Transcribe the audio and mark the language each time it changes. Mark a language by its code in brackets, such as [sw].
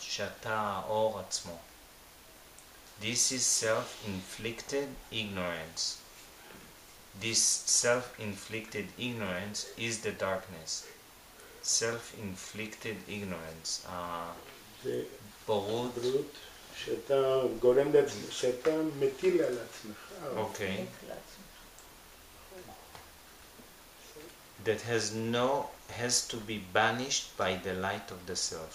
[he] שאתה האור עצמו. [en] This is self-inflicted ignorance. This self-inflicted ignorance is the darkness. Self-inflicted ignorance. [he] בורות. בורות שאתה גורם לעצמך, שאתה מטיל על עצמך. [en] Okay. That has to be banished by the light of the self.